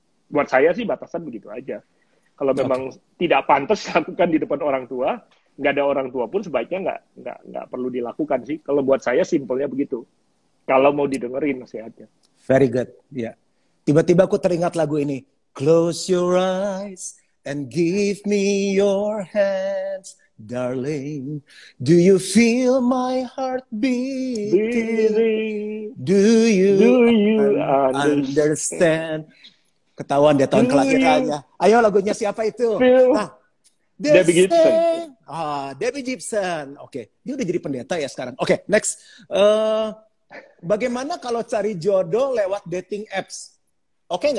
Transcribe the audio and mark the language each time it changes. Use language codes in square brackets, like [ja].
[id] Buat saya sih batasan begitu aja. Kalau memang tidak pantas lakukan di depan orang tua, nggak ada orang tua pun sebaiknya nggak perlu dilakukan sih. Kalau buat saya simpelnya begitu. Kalau mau didengerin nasihatnya. [en] Very good. Yeah. [id] Tiba-tiba aku teringat lagu ini. [en] Close your eyes and give me your hands, darling. Do you feel my heart beating? Do you understand? [id] Ketahuan dia tahun kelahirannya. Ayo lagunya siapa itu? Debbie Gibson. Debbie Gibson. Oke. Okay. Dia udah jadi pendeta ya sekarang. Oke, okay, next. Bagaimana kalau cari jodoh lewat dating apps? Oke okay,